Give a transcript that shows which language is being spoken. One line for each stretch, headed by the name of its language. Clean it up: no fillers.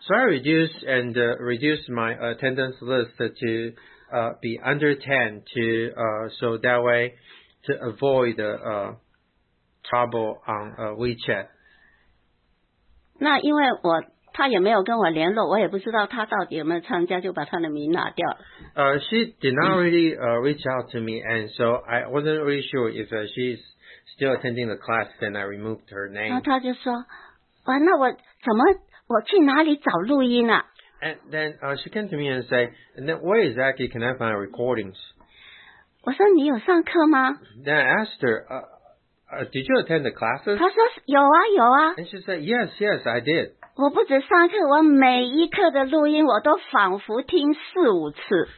English: So I reduced and reduced my attendance list to be under 10 to so that way to avoid the trouble on WeChat.
Chinese: 那因为我 他也没有跟我联络，我也不知道他到底有没有参加，就把他的名拿掉了。
English: She did not really reach out to me, and so I wasn't really sure if she's still attending the class. Then I removed her name.
Chinese: 然后他就说，那我去哪里找录音啊？
English: And then she came to me and said, and then where exactly can I find recordings?
Chinese: 我说你有上课吗？
English: Then I asked her, did you attend the classes?
Chinese: 他说有啊有啊。
English: And she said, yes, yes, I did.
Chinese: 我不止上课，我每一课的录音我都仿佛听4-5次。